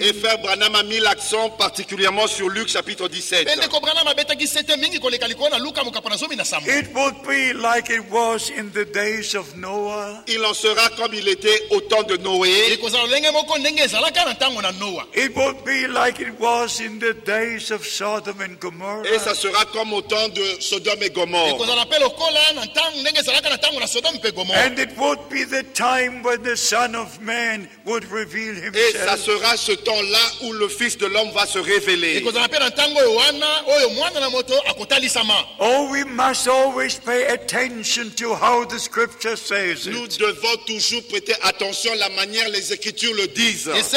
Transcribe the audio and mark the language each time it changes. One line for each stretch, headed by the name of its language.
French: Et Frère Branham a mis l'accent particulièrement sur Luc chapitre 17.
English: It would be like it was in the days of Noah.
French: Il en sera comme il était au temps de Noé.
English: It would be like it was in the days of Sodom and Gomorrah.
French: Et ça sera comme au temps de Sodome et Gomorrhe.
English: And it would be the time when the Son of Man would reveal himself.
French: Et ça sera ce temps-là où le Fils de l'homme va se révéler.
English: Oh, we must always pay attention to how the scripture says it.
French: Nous devons toujours prêter attention à la manière les écritures le disent.